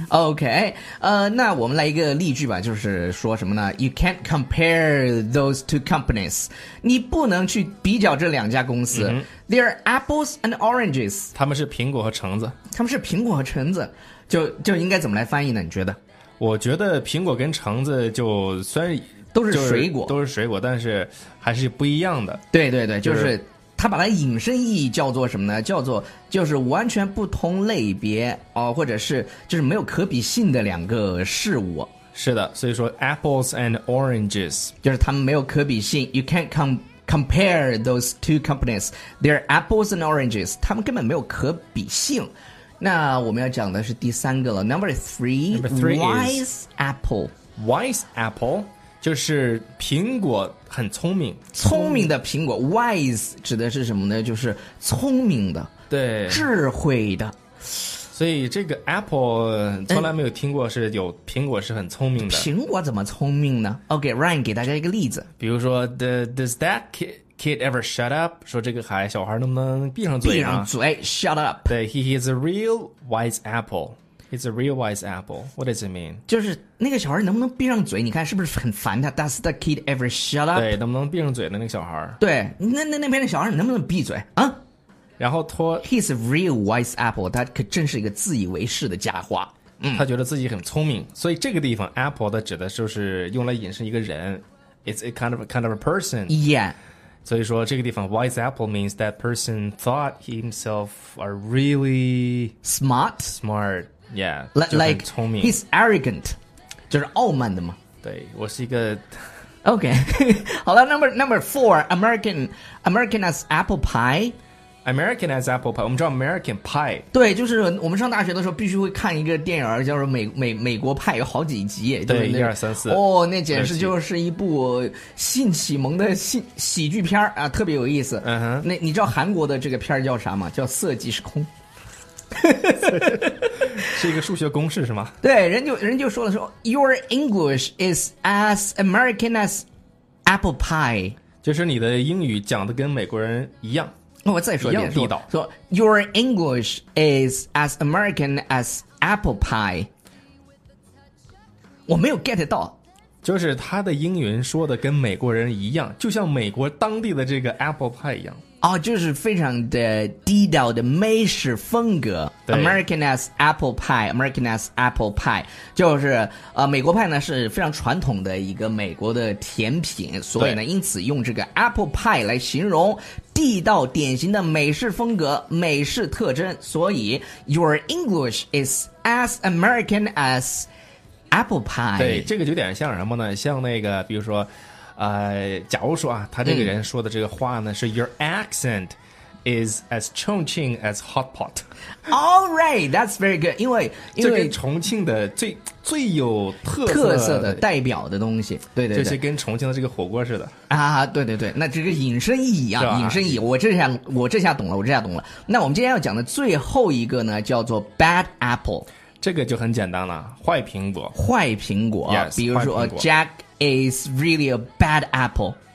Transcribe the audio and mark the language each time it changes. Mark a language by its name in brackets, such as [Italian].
[Chinese] OK， 那我们来一个例句吧，就是说什么呢？ [English] You can't compare those two companies。 [Chinese] 你不能去比较这两家公司。嗯， [English] They are apples and oranges。 [Chinese] 他们是苹果和橙子。他们是苹果和橙子，就应该怎么来翻译呢？你觉得？我觉得苹果跟橙子就虽然都是水果，都是水果，但是还是不一样的。对对对，就是他把它引申意义叫做什么呢？叫做就是完全不同类别哦，或者是就是没有可比性的两个事物。是的，所以说 [English] apples and oranges [Chinese] 就是他们没有可比性。 [English] You can't compare those two companies, they're apples and oranges. [Chinese] 他们根本没有可比性。那我们要讲的是第三个了。 [English] Number three, wise apple. [Chinese] Wise apple 就是苹果很聪明。聪明的苹果。 Wise 指的是什么呢？就是聪明的。对。智慧的。所以这个 apple 从来没有听过是有苹果是很聪明的。苹果怎么聪明呢？ OK， Ryan 给大家一个例子。比如说 [English] Does that kid ever shut up？ [Chinese] 说这个孩小孩能不能闭上嘴、啊、闭上嘴 [English] shut up。 [Chinese] 对， [English] He is a real wise apple。He's a real wise apple。 What does it mean？ [Chinese] 就是那个小孩能不能闭上嘴，你看是不是很烦他？ [English] Does that kid ever shut up？ [Chinese] 对，能不能闭上嘴的那个小孩。对，那边的小孩能不能闭嘴啊？然后托 [English] He's a real wise apple， [Chinese] 他可真是一个自以为是的家伙。他觉得自己很聪明。所以这个地方 apple 的指的就是用来引申一个人。 [English] It's a kind of a person。 Yeah， [Chinese] 所以说这个地方 [English] wise apple means that person thought himself are really smart。 Yeah， like [Chinese] 聪明。 [English] He's arrogant， [Chinese] 就是傲慢的嘛。对，我是一个。 OK， 好了。 [English] number four， American as apple pie American as apple pie， [Chinese] 我们知道 American pie。对，就是我们上大学的时候必须会看一个电影叫做美国派，有好几集。对，一二三四。哦，那简直就是一部性启蒙的喜剧片啊，特别有意思。嗯哼，那你知道韩国的这个片叫啥吗？叫色即是空。是一个数学公式是吗？对，人就说了，说 [English] Your English is as American as apple pie， [Chinese] 就是你的英语讲的跟美国人一样。我再说一遍，说 [English] Your English is as American as apple pie。 [Chinese] 我没有 get 到，就是他的英语说的跟美国人一样，就像美国当地的这个 apple pie 一样。哦，就是非常的地道的美式风格。 [English] American as apple pie， [Chinese] American as apple pie 就是美国派呢是非常传统的一个美国的甜品，所以呢因此用这个 apple pie 来形容地道典型的美式风格，美式特征。所以 [English] Your English is as American as apple pie。 [Chinese] 对，这个有点像什么呢？像那个比如说假如说啊，他这个人说的这个话呢，是 [English] your accent is as Chongqing as hot pot. All right, that's very good. [Chinese] 因为重庆的最有特色的代表的东西，对对对，就是跟重庆的这个火锅似的啊，对对对，那这个引申意义啊，引申意义，我这下懂了。那我们今天要讲的最后一个呢，叫做 bad apple。这个就很简单了，坏苹果。坏苹果， [English] yes, [Chinese] 比如说 [English] Jack is really a bad apple.